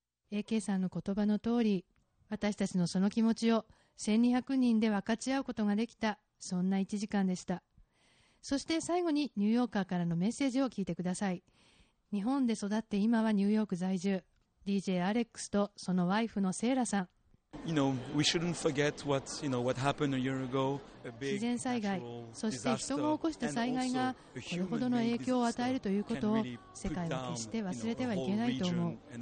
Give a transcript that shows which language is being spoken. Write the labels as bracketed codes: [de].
[ja] AK さんの言葉の通り、私たちのその気持ちを1200人で分かち合うことができた、そんな1時間でした。そして最後にニューヨーカーからのメッセージを聞いてください。日本で育って今はニューヨーク在住、 DJ アレックスとそのワイフのセイラさん。 [en] You know, we shouldn't forget what, you know, what happened a year ago. A big [ja] 自然災害、そして人が起こした災害がこれほどの影響を与えるということを世界は決して忘れてはいけないと思う。